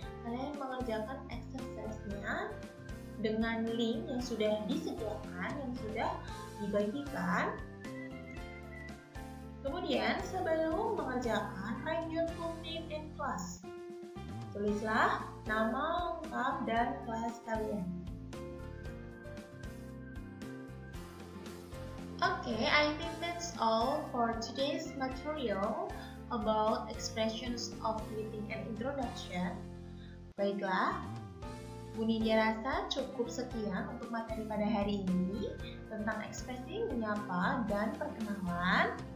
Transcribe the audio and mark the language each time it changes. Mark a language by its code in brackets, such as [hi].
[id] Kalian mengerjakan exercise-nya dengan link yang sudah disediakan, yang sudah dibagikan. Kemudian, sebelum mengerjakan, [en] write your full name and class. [id] Tulislah nama lengkap dan kelas kalian. [en] Okay, I think that's all for today's material about expressions of greeting and introduction. [id] Baiklah, Bu Nidia rasa cukup sekian untuk materi pada hari ini tentang ekspresi menyapa dan perkenalan.